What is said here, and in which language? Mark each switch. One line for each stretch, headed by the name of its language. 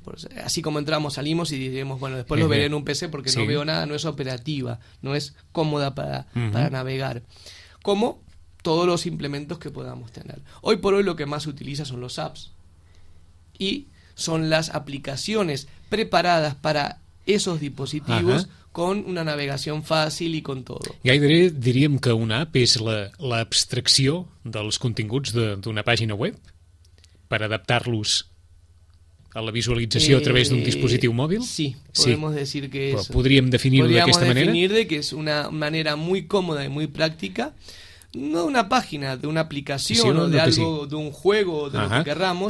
Spanish: Pues así como entramos, salimos y diremos, bueno, después lo veré en un PC porque no veo nada, no es operativa, no es cómoda para navegar. ¿Cómo? Todos los implementos que podamos tener. Hoy por hoy lo que más se utiliza son los apps. Y son las aplicaciones preparadas para esos dispositivos con una navegación fácil y con todo.
Catalan: Gairebé diríem que una app és l'abstracció dels continguts d'una pàgina web per adaptar-los a la visualització a través d'un dispositiu mòbil?
Spanish: Sí, podemos decir que
Catalan: és... Podríem definir-ho d'aquesta manera? Podríem definir que és
Spanish: una manera muy cómoda y muy práctica.
Catalan: No una pàgina, d'una aplicació, sí,
Spanish: o de algo, d'un juego, de lo que querramos.